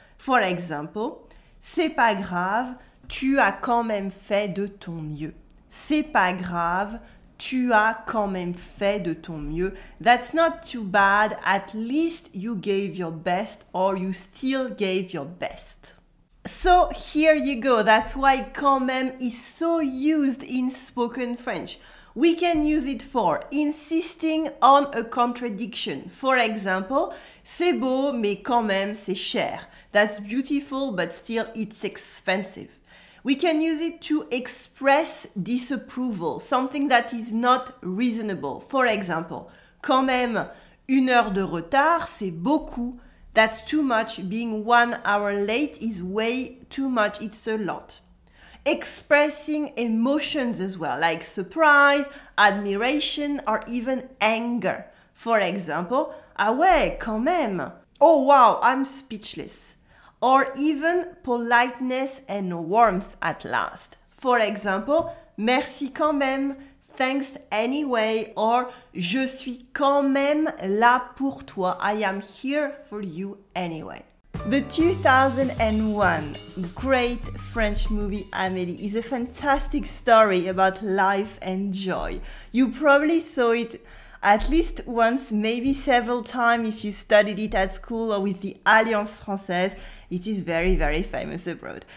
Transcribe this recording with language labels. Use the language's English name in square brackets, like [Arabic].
[English] For example, [French] c'est pas grave, tu as quand même fait de ton mieux. C'est pas grave, tu as quand même fait de ton mieux. [English] That's not too bad, at least you gave your best or you still gave your best. So here you go, that's why quand même is so used in spoken French. We can use it for insisting on a contradiction. For example, [French] c'est beau, mais quand même, c'est cher. [English] That's beautiful, but still, it's expensive. We can use it to express disapproval, something that is not reasonable. For example, [French] quand même, 1 heure de retard, c'est beaucoup. [English] That's too much. Being 1 hour late is way too much. It's a lot. Expressing emotions as well, like surprise, admiration, or even anger. For example, [French] ah ouais, quand même. [English] Oh wow, I'm speechless. Or even politeness and warmth at last. For example, [French] merci quand même, [English] thanks anyway, or [French] je suis quand même là pour toi. [English] I am here for you anyway. The 2001 great French movie Amélie is a fantastic story about life and joy. You probably saw it At least once, maybe several times if you studied it at school or with the Alliance Française, it is very, very famous abroad.